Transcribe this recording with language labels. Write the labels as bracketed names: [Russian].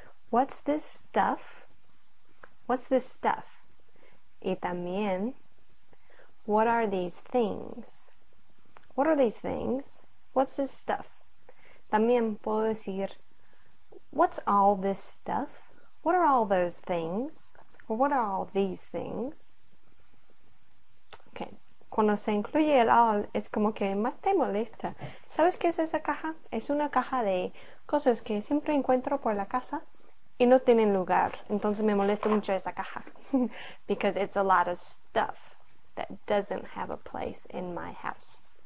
[English] What's this stuff? What's this stuff? [Spanish] Y también, [English] what are these things? What are these things? What's this stuff? [Spanish] También puedo decir, [English] what's all this stuff? What are all those things? Or what are all these things? Okay. [Spanish] Cuando se incluye el all, es como que más te molesta. ¿Sabes qué es esa caja? Es una caja de cosas que siempre encuentro por la casa y no tienen lugar. Entonces me molesta mucho esa caja. [English] Because it's a lot of stuff that doesn't have a place in my house.